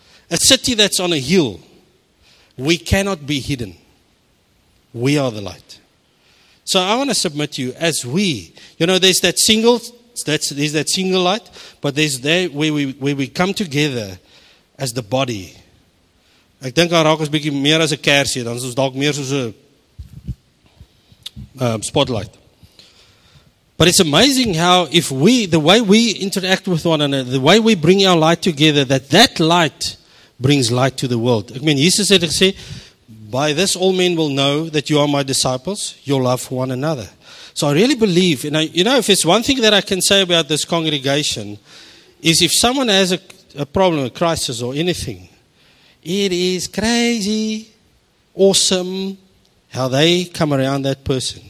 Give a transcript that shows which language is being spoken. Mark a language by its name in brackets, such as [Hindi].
[English] A city that's on a hill, we cannot be hidden. We are the light. So I want to submit to you as we, you know, there's that single light, but there's there where we come together as the body. [Afrikaans] Ek dink daar raak ons bietjie meer as 'n kersie, dan is ons dalk meer soos 'n spotlight. [English] But it's amazing how if we, the way we interact with one another, the way we bring our light together, that light brings light to the world. [Afrikaans] Ek meen, Jesus het gesê, [English] by this all men will know that you are my disciples, your love for one another. So I really believe, and I, you know, if it's one thing that I can say about this congregation, is if someone has a problem, a crisis or anything, it is crazy, awesome, how they come around that person.